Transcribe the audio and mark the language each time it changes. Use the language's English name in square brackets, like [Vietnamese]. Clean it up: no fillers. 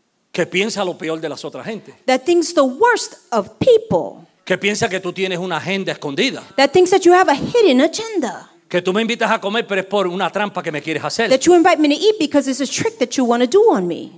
[Spanish] que piensa lo peor de las otras gente [English] that thinks the worst of people [Spanish] que piensa que tú tienes una agenda escondida [English] that thinks that you have a hidden agenda [Spanish] que tú me invitas a comer pero es por una trampa que me quieres hacer [English] that you invite me to eat because it's a trick that you want to do on me